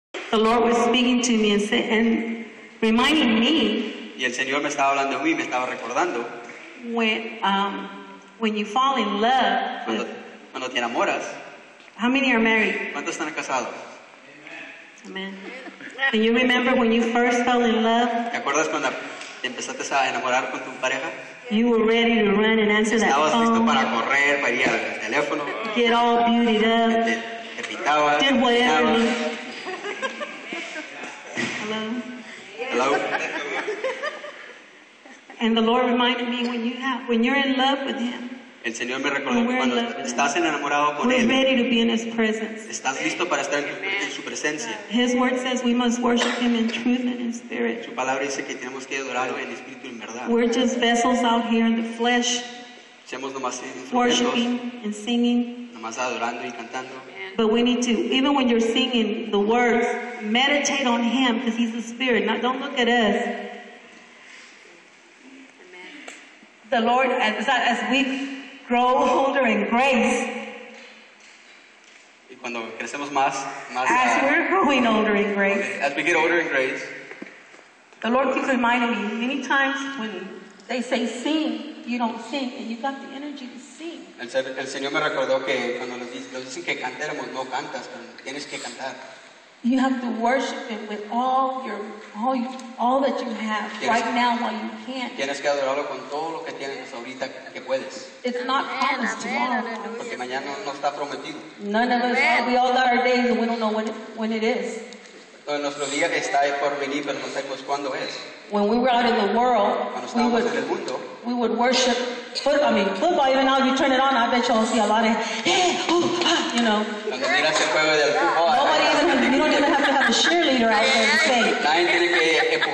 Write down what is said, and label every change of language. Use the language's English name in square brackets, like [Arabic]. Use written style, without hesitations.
[English] The Lord was speaking to me and said, and reminding me. [Spanish] Y el Señor me estaba hablando a mí, me estaba recordando. [English] When you fall in love. [Spanish] Cuando te enamoras. [English] How many are married? [Spanish] ¿Cuántos están casados? [English] Amen. Can you remember when you first fell in love? [Spanish] ¿Te acuerdas cuando empezaste a enamorar con tu pareja? [English] You were ready to run and answer that phone. [Spanish] Estabas listo para correr, para ir al teléfono. [English] Get all beautied up. [Spanish] Te pintabas. [English] Did whatever. Hello. Hello. And the Lord reminded me when you're in love with Him. [Spanish] El Señor me recordó cuando estás enamorado con [English] we're [Spanish] Él. [English] We're ready to be in His presence. [Spanish] Estás listo para estar en su presencia. [English] His word says we must worship Him in truth and in spirit. [Spanish] Su palabra dice que tenemos que adorarlo en espíritu y en verdad. [English] We're just vessels out here in the flesh. [Spanish] Somos nomás instrumentos. [English] Worshiping and singing. [Spanish] Nomás adorando y cantando. [English] But we need to, even when you're singing the words, meditate on Him because He's the Spirit. Now don't look at us. The Lord, as we grow older in grace. [Spanish] Y cuando crecemos más [English] as we're growing older in grace. Okay, as we get older in grace. The Lord keeps reminding me many times when they say sing, you don't sing, and you've got the energy to sing. [Spanish] El Señor me recordó que cuando nos dicen que cantemos, no cantas, tienes que cantar. [English] You have to worship Him with all that you have right now while you can. [Spanish] Tienes que adorarlo con todo lo que tienes ahorita que puedes. [English] It's not promised tomorrow. [Spanish] Porque mañana no está prometido. [English] None of us. We all got our days, and we don't know when it is. [Spanish] Nuestro día está por venir, pero no sabemos cuándo es. [English] When we were out in the world, we would worship. Football, even now you turn it on, I bet you'll see a lot of, you know. You don't even have to have a cheerleader out there to say.